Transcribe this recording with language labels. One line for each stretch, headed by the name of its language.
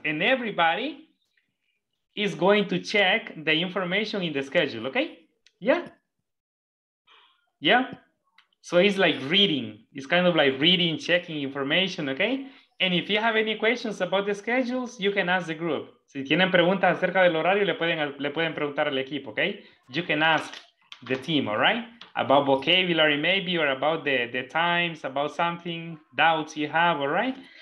English: And everybody is going to check the information in the schedule, okay? Yeah? Yeah? So it's like reading. It's kind of like reading, checking information, okay? And if you have any questions about the schedules, you can ask the group.
Spanish: Si tienen preguntas acerca del horario, le pueden preguntar al equipo, okay?
English: You can ask the team, all right? About vocabulary maybe, or about the times, about something, doubts you have, all right?